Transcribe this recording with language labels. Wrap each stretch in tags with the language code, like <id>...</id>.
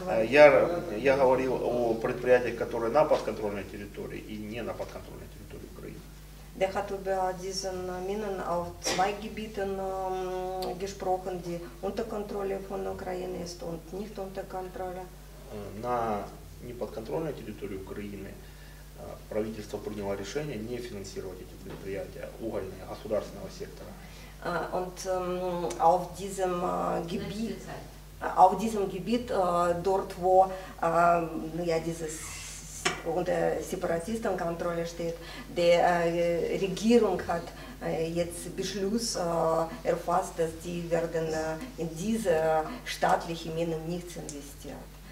<ru>Я говорил о предприятиях, которые на подконтрольной территории и не на подконтрольной территории Украины.</ru> <de>Der hat über diesen Minen auf zwei Gebieten gesprochen, die unter Kontrolle von der Ukraine ist und nicht unter Kontrolle.</de> <ru>На неподконтрольной территории Украины правительство приняло решение не финансировать эти предприятия угольные государственного сектора.</ru> <de>Und auf diesem Gebiet, dort wo ja dieses unter Separatistenkontrolle steht, die Regierung hat jetzt Beschluss erfasst, dass die werden in diese staatlichen Minen nichts investieren.</de>